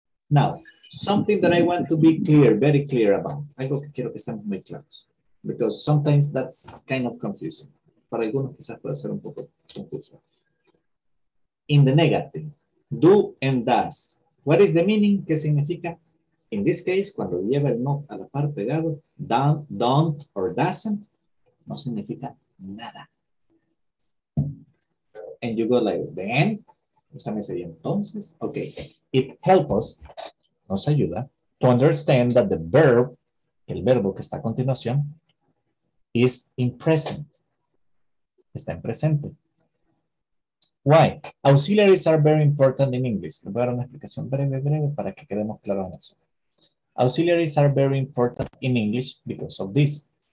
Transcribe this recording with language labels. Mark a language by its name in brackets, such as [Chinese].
[English] Now, something that I want to be clear, very clear about. I go [Spanish] quiero que estemos muy claros, [English] because sometimes that's kind of confusing. [Spanish] Para algunos quizás puede ser un poco confuso. [English] In the negative, do and does. What is the meaning? [Spanish] ¿Qué significa? [English] In this case, [Spanish] cuando lleva el not a la par pegado, don't or doesn't, no significa nada. [English] And you go like then. [Spanish] También sería entonces. [English] Okay. It helps us, [Spanish] nos ayuda, [English] to understand that the verb, [Spanish] el verbo que está a continuación, [English] is in present. [Spanish] Está en presente. [English] Why? Auxiliaries are very important in English. [Spanish] Le voy a dar una explicación breve para que quedemos claros en eso. [English] Auxiliaries are very important in English because of this.